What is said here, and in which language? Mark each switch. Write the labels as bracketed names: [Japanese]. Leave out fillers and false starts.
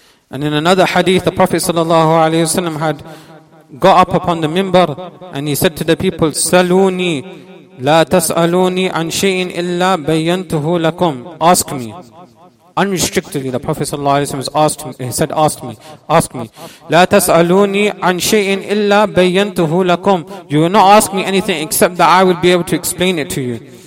[English] And in another hadith, the Prophet sallallahu alaihi wasallam had got up upon the minbar and he said to the people, [Arabic] "Saluni, la tasaluni an shayin illa bayyantuhu lakum." [English] Ask me. Unrestrictedly, the Prophet sallallahu alaihi wasallam said, ask me. [Arabic] لا تسألوني عن شيء إلا بينته لكم. [English] You will not ask me anything except that I will be able to explain it to you.